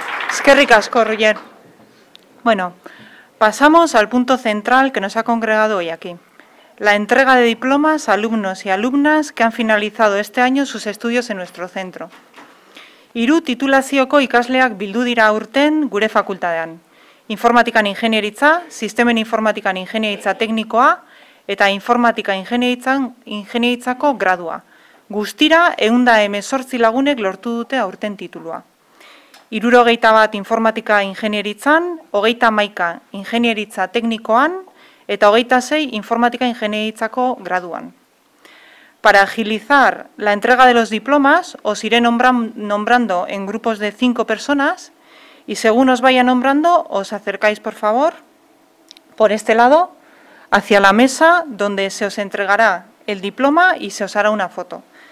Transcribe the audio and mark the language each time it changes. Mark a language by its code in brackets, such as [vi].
[eu] Eskerrik asko, [es] Roger. Bueno, pasamos al punto central que nos ha congregado hoy aquí. La entrega de diplomas a alumnos y alumnas que han finalizado este año sus estudios en nuestro centro. [eu] Hiru titulazioko ikasleak bildu dira urten gure fakultatean. Informatikan ingenieritza, sistemen informatikan ingenieritza teknikoa eta informatika ingenieritzako gradua. Guztira, 118 lagunek lortu dute aurten titulua. 61 informatika ingenieritzan, 31 ingenieritza teknikoan eta 26 informatika ingenieritzako graduan. [es] Para agilizar la entrega de los diplomas, os iré nombrando en grupos de 5 personas y según os vaya nombrando, os acercáis, por favor, por este lado, hacia la mesa donde se os entregará el diploma y se os hará una foto.